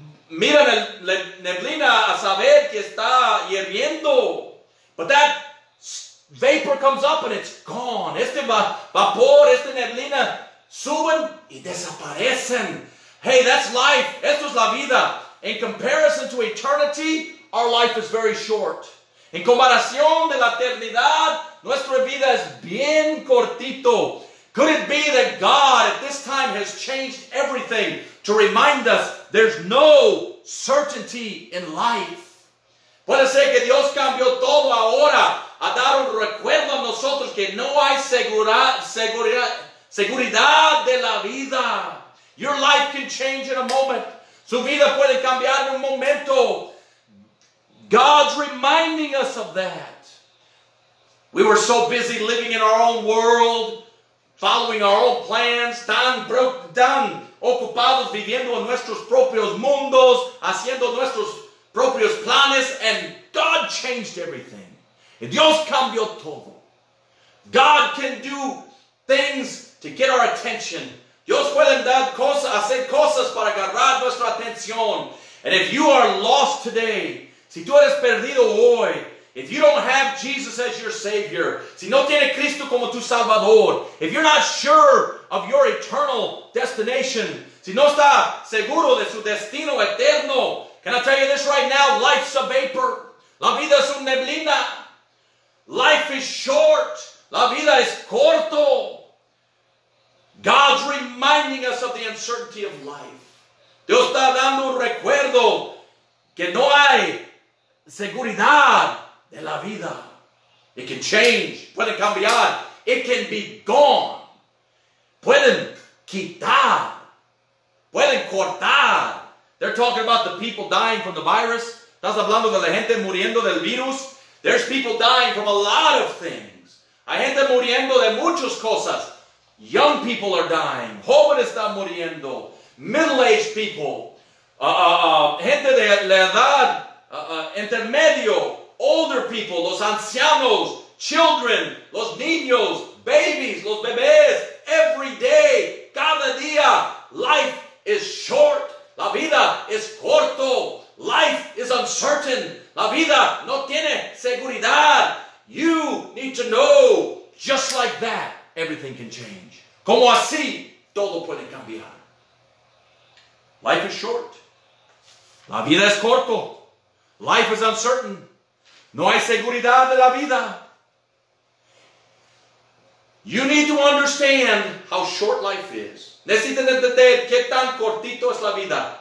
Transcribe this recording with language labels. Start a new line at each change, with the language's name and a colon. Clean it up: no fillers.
Spanish: Mira la neblina a saber que está hirviendo.
English: But that vapor comes up and it's gone.
Spanish: Este vapor, esta neblina, suben y desaparecen.
English: Hey, that's life.
Spanish: Esto es la vida.
English: In comparison to eternity, our life is very short.
Spanish: En comparación de la eternidad, nuestra vida es bien cortito.
English: Could it be that God at this time has changed everything to remind us there's no certainty in life?
Spanish: Puede ser que Dios cambió todo ahora a dar un recuerdo a nosotros que no hay seguridad de la vida.
English: Your life can change in a moment.
Spanish: Su vida puede cambiar en un momento.
English: God's reminding us of that. We were so busy living in our own world, following our own plans,
Spanish: tan ocupados viviendo en nuestros propios mundos, haciendo nuestros propios planes,
English: and God changed everything.
Spanish: Y Dios cambió todo.
English: God can do things to get our attention.
Spanish: Dios puede dar cosas, hacer cosas para agarrar nuestra atención.
English: And if you are lost today,
Spanish: si tú eres perdido hoy,
English: if you don't have Jesus as your Savior,
Spanish: si no tiene Cristo como tu Salvador,
English: if you're not sure of your eternal destination,
Spanish: si no está seguro de su destino eterno,
English: can I tell you this right now? Life's a vapor.
Spanish: La vida es una neblina.
English: Life is short.
Spanish: La vida es corto.
English: God's reminding us of the uncertainty of life.
Spanish: Dios está dando un recuerdo que no hay seguridad de la vida.
English: It can change.
Spanish: Puede cambiar.
English: It can be gone.
Spanish: Pueden quitar. Pueden cortar.
English: They're talking about the people dying from the virus.
Spanish: Estás hablando de la gente muriendo del virus.
English: There's people dying from a lot of things.
Spanish: Hay gente muriendo de muchas cosas.
English: Young people are dying.
Spanish: Jóvenes están muriendo.
English: Middle-aged people.
Spanish: Gente de la edad. Intermedio,
English: older people,
Spanish: los ancianos,
English: children,
Spanish: los niños,
English: babies,
Spanish: los bebés,
English: every day,
Spanish: cada día,
English: life is short,
Spanish: la vida es corto,
English: life is uncertain,
Spanish: la vida no tiene seguridad.
English: You need to know, just like that, everything can change.
Spanish: Como así, todo puede cambiar.
English: Life is short,
Spanish: la vida es corto.
English: Life is uncertain.
Spanish: No hay seguridad de la vida.
English: You need to understand how short life is.
Spanish: Necesitan entender qué tan cortito es la vida.